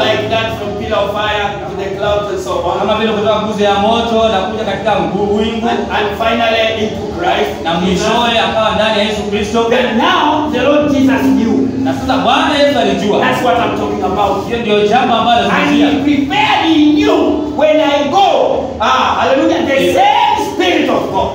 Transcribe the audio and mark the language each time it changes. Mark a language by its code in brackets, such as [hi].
[en] Like that from pillar of fire to the clouds and so on. [sw] Kama vile kutoka nguzo ya moto na kuja katika nguvu wingu. [en] And finally into Christ. [sw] Na mwishowe akawa ndani ya Yesu Kristo. [en] And now the Lord Jesus knew. [sw] Na sasa Bwana Yesu alijua. [en] That's what I'm talking about. [sw] Hiyo ndio jambo ambalo nazungumzia. [en] And he prepared in you when I go. Ah, hallelujah. The same Spirit of God.